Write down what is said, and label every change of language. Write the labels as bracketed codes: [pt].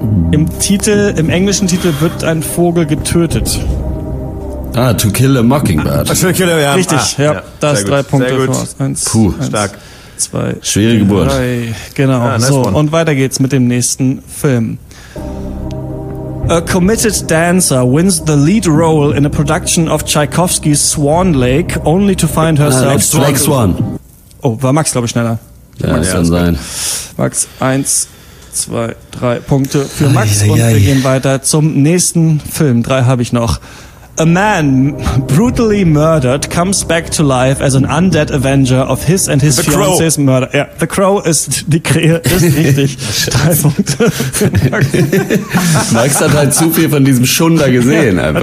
[de] Im englischen Titel wird ein Vogel getötet. [en] Ah, To Kill a Mockingbird. [de] Richtig, ja. Das ist 3 Punkte für uns. 1, 2, schwere Geburt. Drei. Genau. Ah, nice so one. Und weiter geht's mit dem nächsten Film. [en] A committed dancer wins the lead role in a production of Tchaikovsky's Swan Lake, only to find herself. Black Swan. [de] Oh, war Max, glaube ich, schneller. Ja, kann sein. Sein. Max, 1, 2, 3 Punkte für Max. Wir gehen weiter zum nächsten Film. 3 habe ich noch. [en] A man brutally murdered comes back to life as an undead avenger of his and his fiance's murder. [de] Yeah, The Crow ist die Krähe, ist richtig. 3 Punkte. Max hat halt zu viel von diesem Schunder gesehen, einfach.